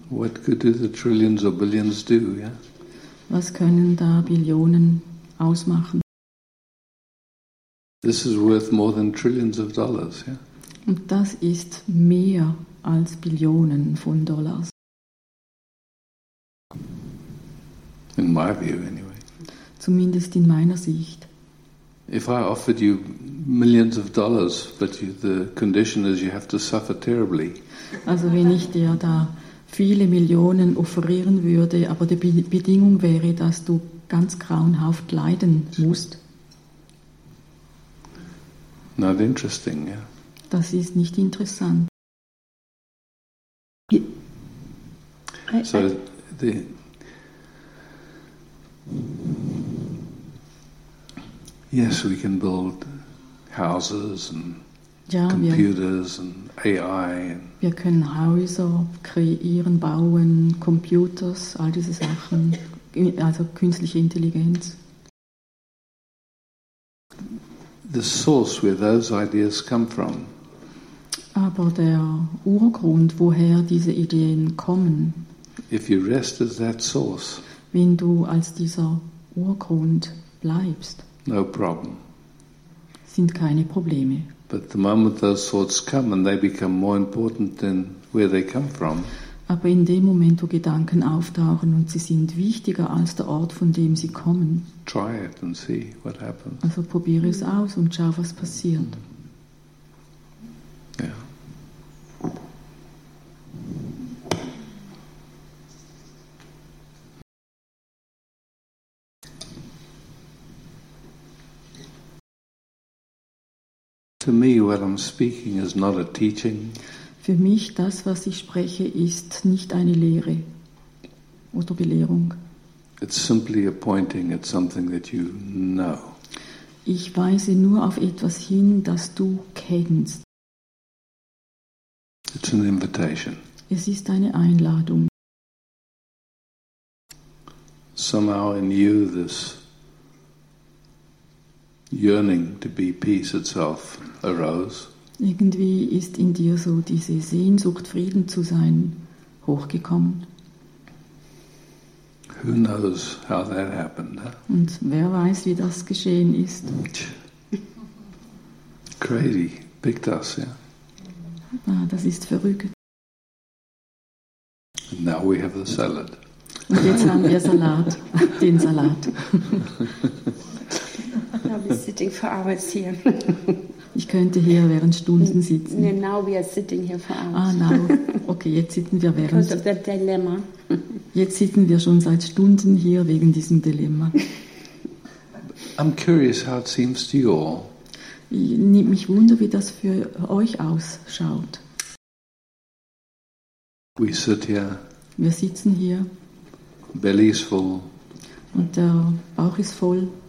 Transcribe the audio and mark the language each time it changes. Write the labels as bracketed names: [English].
[English] What could do the trillions or billions do, yeah? [German] Was können da Billionen ausmachen? [English] This is worth more than trillions of dollars, yeah? [German] Und das ist mehr als Billionen von Dollars. [English] In my view, anyway. [German] Zumindest in meiner Sicht. [English] If I offered you millions of dollars, but the condition is you have to suffer terribly. [German] Also wenn ich dir da viele Millionen offerieren würde, aber die Bedingung wäre, dass du ganz grauenhaft leiden musst. [English] Not interesting, yeah. [German] Das ist nicht interessant. [English] So the yes, we can build houses and computers and AI. [German] Wir können Häuser kreieren, bauen, Computers, all diese Sachen, also künstliche Intelligenz. [English] The source where those ideas come from. [German] Aber der Urgrund, woher diese Ideen kommen. [English] If you rest as that source. [German] Wenn du als dieser Urgrund bleibst. [English] No problem. [German] Sind keine Probleme. [English] But the moment those thoughts come and they become more important than where they come from. [German] Aber in dem Moment, wo Gedanken auftauchen und sie sind wichtiger als der Ort, von dem sie kommen. [English] Try it and see what happens. [German] Also probiere es aus und schau, was passiert. [English] Yeah. To me, what I'm speaking is not a teaching. [German] Für mich, das, was ich spreche, ist nicht eine Lehre oder Belehrung. [English] It's simply a pointing at something that you know. [German] Ich weise nur auf etwas hin, das du kennst. [English] It's an invitation. [German] Es ist eine Einladung. [English] Somehow in you, this yearning to be peace itself arose. [German] Irgendwie ist in dir so diese Sehnsucht, Frieden zu sein, hochgekommen. [English] Who knows how that happened, huh? [German] Und wer weiß, wie das geschehen ist. [English] Crazy. Picked us, yeah? [German] Ah, das ist verrückt. [English] And now we have the salad. [German] Und jetzt haben wir Salat. Den Salat. [English] I'll be sitting for hours here. [German] Ich könnte hier während Stunden sitzen. [English] No, now we are sitting here for hours. Ah, now. Okay, [German] jetzt sitzen wir während. [English] Because of that dilemma. [German] Jetzt sitzen wir schon seit Stunden hier wegen diesem Dilemma. [English] I'm curious how it seems to you all. [German] Mich wundert, wie das für euch ausschaut. [English] We sit here. [German] Wir sitzen hier. [English] Belly is full. [German] Und der Bauch ist voll.